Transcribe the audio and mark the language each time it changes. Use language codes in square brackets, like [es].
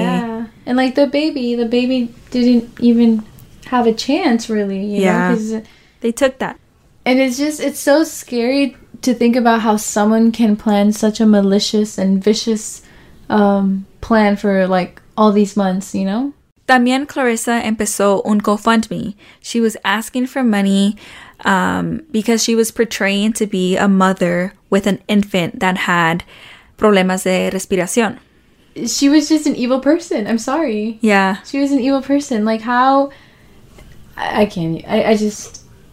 [en] Yeah, and like the baby didn't even have a chance, really. You know? Cause they took that, and it's so scary to think about how someone can plan such a malicious and vicious plan for like all these months, you know. [es] También Clarissa empezó un GoFundMe. [en] She was asking for money because she was portraying to be a mother with an infant that had [es] problemas de respiración. [en] She was just an evil person. I'm sorry. Yeah. She was an evil person. Like, how... I just...